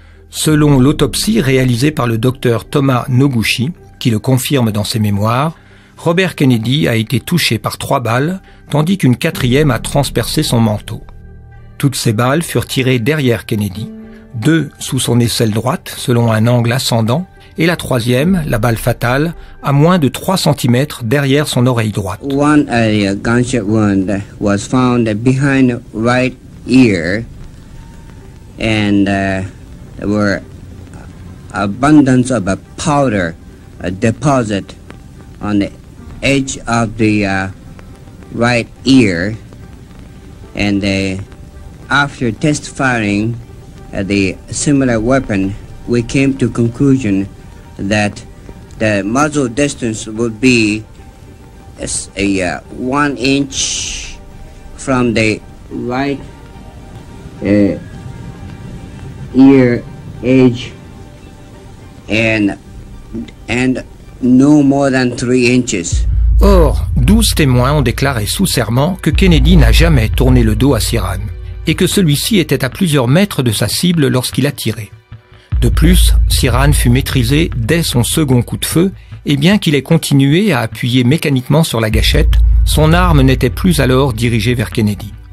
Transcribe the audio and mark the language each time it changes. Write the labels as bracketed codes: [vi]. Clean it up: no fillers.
[fr] Selon l'autopsie réalisée par le docteur Thomas Noguchi, qui le confirme dans ses mémoires, Robert Kennedy a été touché par 3 balles, tandis qu'une 4e a transpercé son manteau. Toutes ces balles furent tirées derrière Kennedy, 2 sous son aisselle droite, selon un angle ascendant, et la 3e, la balle fatale, à moins de 3 cm derrière son oreille droite. [en] One gunshot wound was found behind the right ear and there were abundance of a powder deposit on the edge of the right ear and after test firing the similar weapon we came to conclusion that the muzzle distance would be one inch from the right ear edge and no more than 3 inches. [fr] Or, 12 témoins ont déclaré sous serment que Kennedy n'a jamais tourné le dos à Siran et que celui-ci était à plusieurs mètres de sa cible lorsqu'il a tiré. De plus, Siran fut maîtrisé dès son second coup de feu, et bien qu'il ait continué à appuyer mécaniquement sur la gâchette, son arme n'était plus alors dirigée vers Kennedy.